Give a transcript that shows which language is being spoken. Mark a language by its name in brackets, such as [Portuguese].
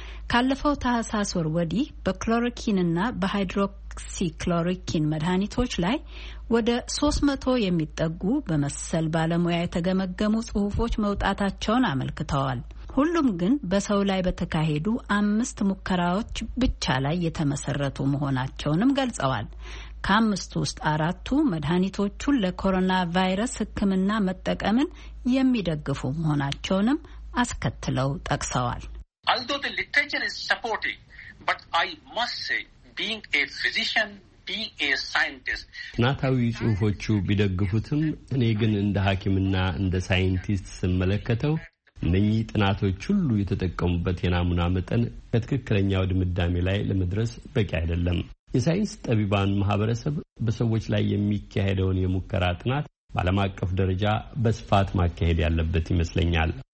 [Amharic] ካለፈው ታህሳስ ወር ወዲህ በክሎሮኪንና በሃይድሮክሲክሎሮኪን መድኃኒቶች ላይ ወደ 300 የሚጠጉ በመሰል ባለሙያ የተገመገሙ ጽሁፎች መውጣታቸውን አመልክተዋል። ሁሉም ግን በሰው ላይ በተካሄዱ 5 ሙከራዎች ብቻ ላይ የተመሰረቱ መሆናቸውንም ገልጸዋል። ከአምስቱ ውስጥ 4 መድኃኒቶቹን ለኮሮና ቫይረስ ህክምና መጠቀምን የሚደግፉ መሆናቸውንም አስከትለው ጠቅሰዋል። [English] Although the literature is supporting, but I must say, being a physician, being a scientist, [Amharic] ናታዊ ጽሁፎቹ ቢደግፉትም እኔ ግን እንደ ሐኪምና እንደ ሳይንቲስት ስመለከተው እነኚህ ጥናቶች ሁሉ የተጠቀሙበት የናሙና መጠን በትክክለኛው ድምዳሜ ላይ ለመድረስ በቂ አይደለም። የሳይንስ ጠቢባን ማህበረሰብ በሰዎች ላይ የሚካሄደውን የሙከራ ጥናት ባለም አቀፍ ደረጃ በስፋት ማካሄድ ያለበት ይመስለኛል።